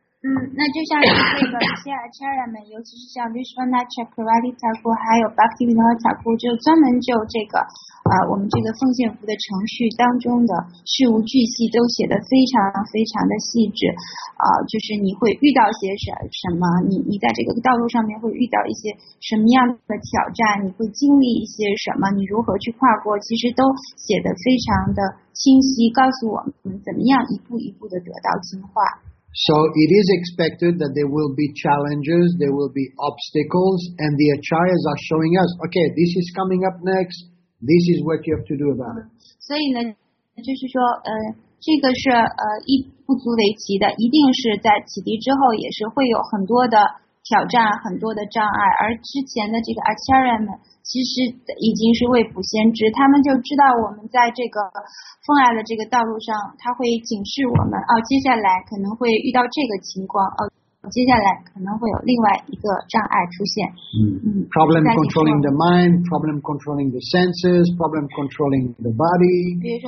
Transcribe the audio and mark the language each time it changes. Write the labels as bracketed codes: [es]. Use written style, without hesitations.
[zh] 那就像这个一些Acharya们，尤其是像 Vishwanatha Chakravarti Thakur 还有 Bhaktivinoda Thakur 就专门就这个我们这个奉献服的程序当中的事无巨细都写得非常非常的细致，就是你会遇到些什么，你在这个道路上面会遇到一些什么样的挑战，你会经历一些什么，你如何去跨过，其实都写得非常的清晰，告诉我们怎么样一步一步的得到进化。 [en] So it is expected that there will be challenges, there will be obstacles, and the acharyas are showing us, okay, this is coming up next, this is what you have to do about it. [zh] 所以呢，就是说，这个是一步步累积的，一定是在启迪之后也是会有很多的挑战，很多的障碍。而之前的这个Acharya们，其实已经是未卜先知，他们就知道我们在这个奉爱的这个道路上，他会警示我们，接下来可能会遇到这个情况，接下来可能会有另外一个障碍出现。Problem [en] controlling the mind, problem controlling the senses, problem controlling the body.